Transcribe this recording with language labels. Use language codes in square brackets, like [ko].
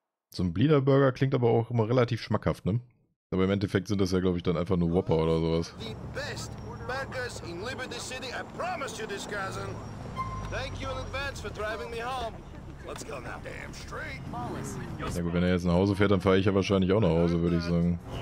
[de] So ein Bleederburger klingt aber auch immer relativ schmackhaft, ne? Aber im Endeffekt sind das ja, glaube ich, dann einfach nur Whopper oder sowas. [en] The best burgers in Liberty City, I promise you this, cousin. Thank you in advance for driving me home. [de] Na ja, gut, wenn er jetzt nach Hause fährt, dann fahre ich ja wahrscheinlich auch nach Hause, würde ich sagen.